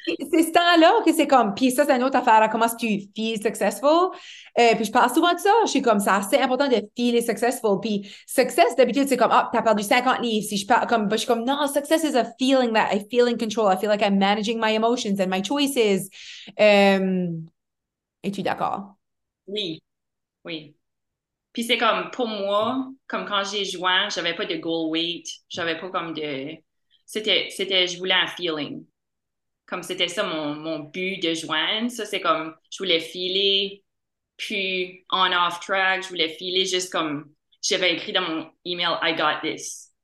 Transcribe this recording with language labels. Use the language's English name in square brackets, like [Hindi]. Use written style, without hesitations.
[French] C'est ce temps-là que c'est comme... Puis ça, c'est une autre affaire à comment tu feel successful. Puis je parle souvent de ça. Je suis comme ça. C'est important de feel successful. Puis success, d'habitude, c'est comme, ah, oh, t'as perdu 50 livres. Si je parle comme... [English] But [French] je suis comme, non, [English] success is a feeling that I feel in control. I feel like I'm managing my emotions and my choices. [French] Es-tu d'accord? Oui, oui. Puis c'est comme, pour moi, comme quand j'ai joint, j'avais pas de goal weight, j'avais pas comme de... C'était, je voulais un feeling. Comme c'était ça mon but de joindre. Ça, c'est comme, je voulais filer, puis on off track, je voulais filer juste comme, j'avais écrit dans mon email, [English] I got this.